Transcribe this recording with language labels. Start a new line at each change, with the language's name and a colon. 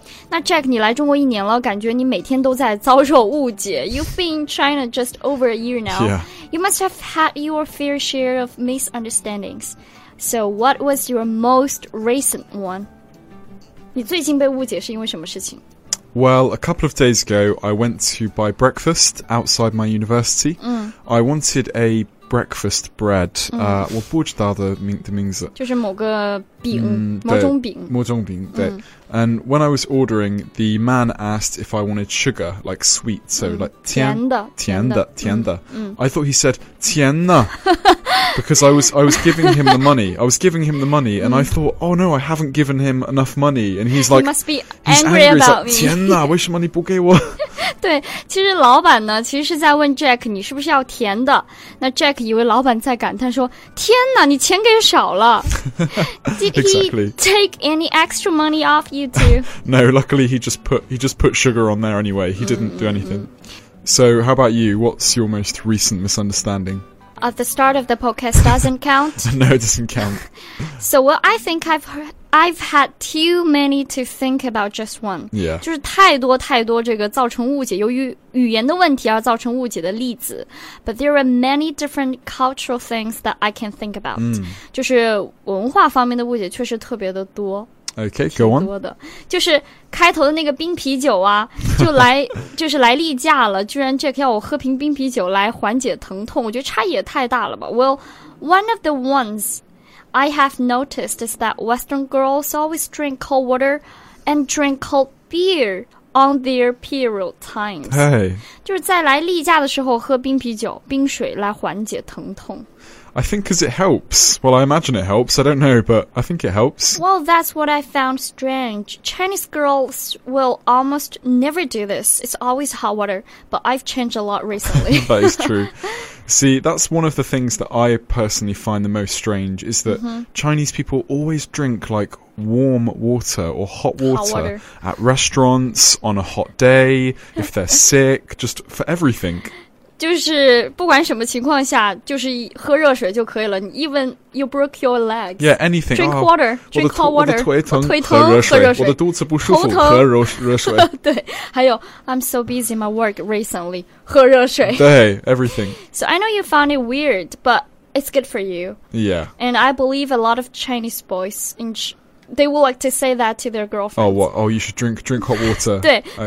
Chinese: 那 Jack， 你来中国一年了，感觉你每天都在遭受误解。
English: You've been in China just over a year now. Yeah. You must have had your fair share of misunderstandings. So, what was your most recent one?
Chinese: 你最近被误解是因为什么事情？
English: Well, a couple of days ago, I went to buy breakfast outside my university. I wanted a breakfast bread.
Chinese: 我不知道的名字。就是某个饼，某种饼。某种饼，对。
English: And when I was ordering, the man asked if I wanted sugar, like sweet. So, like,
Chinese: 甜的。
English: I thought he said,
Chinese: 甜的。
English: Because I was giving him the money. I was giving him the money, and I thought, oh no, I haven't given him enough money. And he's like, he must be angry about me.
Chinese: 天哪，为什么你不给我？对，其实老板呢，其实是在问 Jack， 你是不是要甜的？那 Jack 以为老板在感叹说，天哪，你钱给少了。
English: Did exactly. he take any extra money off you two? No, luckily he just put sugar on there anyway. He didn't do anything. So how about you? What's your most recent misunderstanding? At the start of the podcast doesn't count. No, it doesn't count. So, well, I think I've had too many to think about just one. Yeah.
Chinese: 就是太多这个造成误解，由于语言的问题而造成误解的例子。
English: But there are many different cultural things that I can think about.
Chinese: 就是文化方面的误解确实特别的多。
English: Okay, go on.
Chinese: 多的，就是开头的那个冰啤酒啊，就是来例假了，居然 Jack 要我喝瓶冰啤酒来缓解疼痛，我觉得差异也太大了吧。
English: Well, one of the ones I have noticed is that Western girls always drink cold water and drink cold beer on their period times. Hey.
Chinese: 就是在来例假的时候喝冰啤酒，冰水来缓解疼痛。
English: I think because it helps. Well, I imagine it helps. I don't know, but I think it helps. Well, that's what I found strange. Chinese girls will almost never do this. It's always hot water, but I've changed a lot recently. That is true. See, that's one of the things that I personally find the most strange is that Chinese people always drink like warm water or hot water at restaurants, on a hot day, if they're sick, just for everything.
Chinese: 就是不管什么情况下就是喝热水就可以了
English: Even you broke your leg Yeah, anything Drink water Drink hot water
Chinese: 我的腿疼喝热水我的肚子不舒服喝热水对还有
English: I'm so busy in my work recently
Chinese: 喝热水
English: 对 everything So I know you found it weird But it's good for you Yeah And I believe a lot of Chinese boys in ChinaThey would like to say that to their girlfriends. Oh, what? Oh, you should drink hot water. 对、oh.